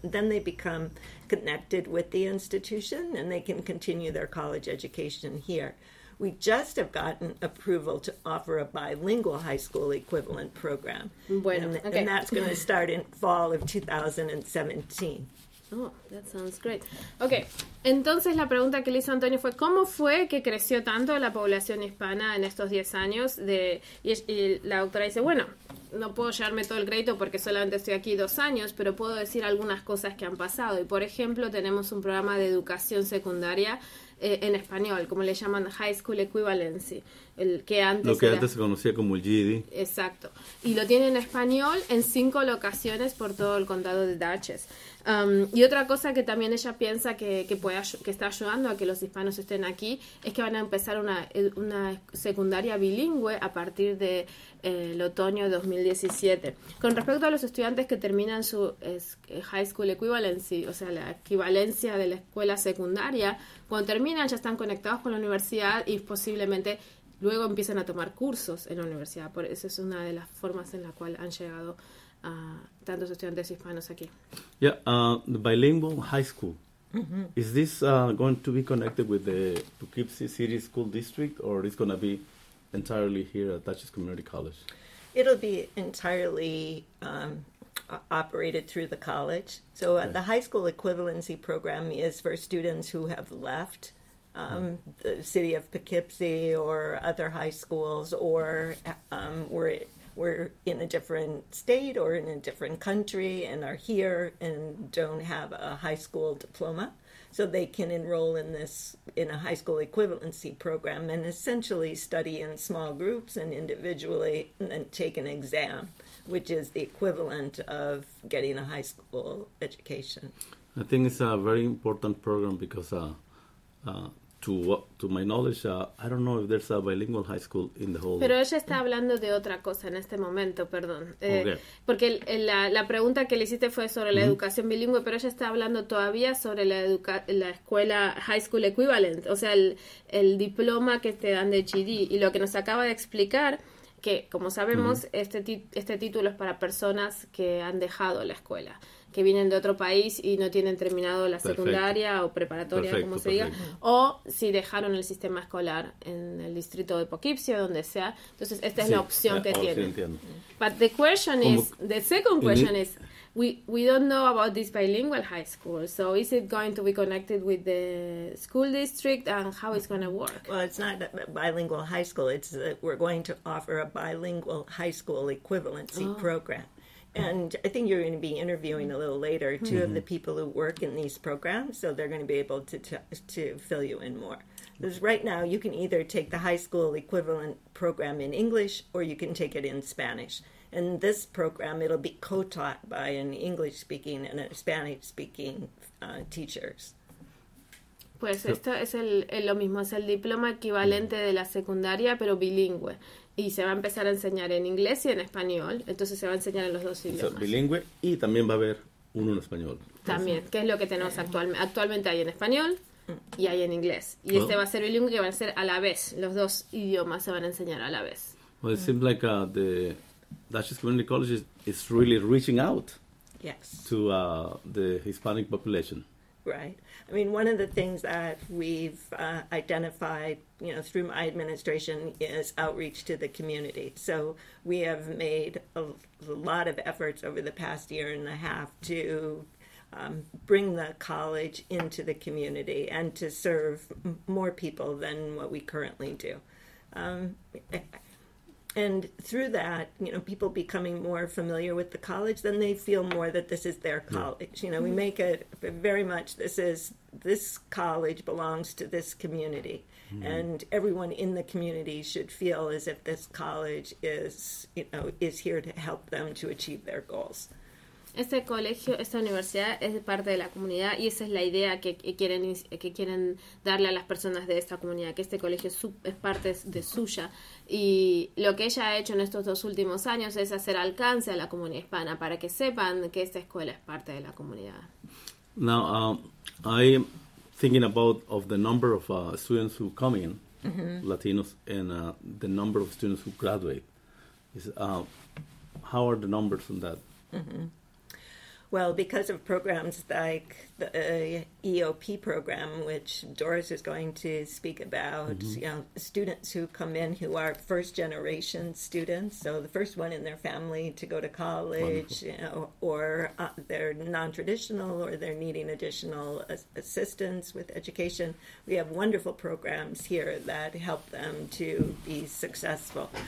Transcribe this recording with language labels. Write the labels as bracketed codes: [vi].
[en] Then they become connected with the institution and they can continue their college education here. We just have gotten approval to offer a bilingual high school equivalent program. [es] Bueno, [en] and that's going to start in fall of 2017. Oh, that sounds great. [es] Okay, entonces la pregunta que le hizo Antonio fue, ¿cómo fue que creció tanto la población hispana en estos 10 años? Y la doctora dice, bueno, no puedo llevarme todo el crédito porque solamente estoy aquí 2 años, pero puedo decir algunas cosas que han pasado. Y por ejemplo, tenemos un programa de educación secundaria en español, como le llaman High School Equivalency, que antes se conocía como el GED. Exacto. Y lo tiene en español en 5 locaciones por todo el condado de Dutchess. Y otra cosa que también ella piensa que está ayudando a que los hispanos estén aquí es que van a empezar una secundaria bilingüe a partir de el otoño de 2017. Con respecto a los estudiantes que terminan su high school equivalency, o sea, la equivalencia de la escuela secundaria, cuando terminan ya están conectados con la universidad y posiblemente luego empiezan a tomar cursos en la universidad. Por eso es una de las formas en la cual han llegado tantos estudiantes hispanos aquí. [en] Yeah, the bilingual high school. Mm-hmm. Is this going to be connected with the Poughkeepsie City School District, or is it going to be entirely here at Dutchess Community College? It'll be entirely operated through the college. So the high school equivalency program is for students who have left the city of Poughkeepsie or other high schools, or were in a different state or in a different country and are here and don't have a high school diploma. So they can enroll in this, in a high school equivalency program, and essentially study in small groups and individually and take an exam, which is the equivalent of getting a high school education. I think it's a very important program because to my knowledge, I don't know if there's a bilingual high school in the whole. [es] Pero ella está hablando de otra cosa en este momento, perdón. Okay. Porque la pregunta que le hiciste fue sobre la educación bilingüe, pero ella está hablando todavía sobre la escuela high school equivalent, o sea, el diploma que te dan de GED. Y lo que nos acaba de explicar, que como sabemos, este título es para personas que han dejado la escuela, que vienen de otro país y no tienen terminado la secundaria o preparatoria, como se diga. O si dejaron el sistema escolar en el distrito de Poughkeepsie o donde sea. Entonces, esta es la opción que tienen. Sí, entiendo. [en] But the question is, the second question is, we don't know about this bilingual high school. So, is it going to be connected with the school district and how it's going to work? Well, it's not a bilingual high school. It's that we're going to offer a bilingual high school equivalency program. And I think you're going to be interviewing a little later two of the people who work in these programs, so they're going to be able to fill you in more. Because right now, you can either take the high school equivalent program in English, or you can take it in Spanish. And this program, it'll be co-taught by an English-speaking and a Spanish-speaking teachers. [es] Pues esto es lo mismo, es el diploma equivalente de la secundaria, pero bilingüe. Y se va a empezar a enseñar en inglés y en español. Entonces se va a enseñar en los dos idiomas. Es bilingüe y también va a haber uno en español. También, que es lo que tenemos actualmente. Actualmente hay en español y hay en inglés. Y este va a ser bilingüe y va a ser a la vez. Los dos idiomas se van a enseñar a la vez. [en] Well, it seems like the Dutchess Community College is really reaching out to the Hispanic population. Right. I mean, one of the things that we've identified, you know, through my administration is outreach to the community. So we have made a lot of efforts over the past year and a half to bring the college into the community and to serve more people than what we currently do. And through that, you know, people becoming more familiar with the college, then they feel more that this is their college. You know, we make it very much this college belongs to this community. Mm-hmm. And everyone in the community should feel as if this college is, you know, is here to help them to achieve their goals. Este colegio, esta universidad es parte de la comunidad y esa es la idea que quieren darle a las personas de esta comunidad, que este colegio es parte de suya. Y lo que ella ha hecho en estos 2 últimos años es hacer alcance a la comunidad hispana para que sepan que esta escuela es parte de la comunidad. Now, I'm thinking about of the number of students who come in, Latinos, and the number of students who graduate. How are the numbers on that? Mm-hmm. Well, because of programs like the EOP program, which Doris is going to speak about, you know, students who come in who are first-generation students, so the first one in their family to go to college, or they're non-traditional or they're needing additional assistance with education, we have wonderful programs here that help them to be successful.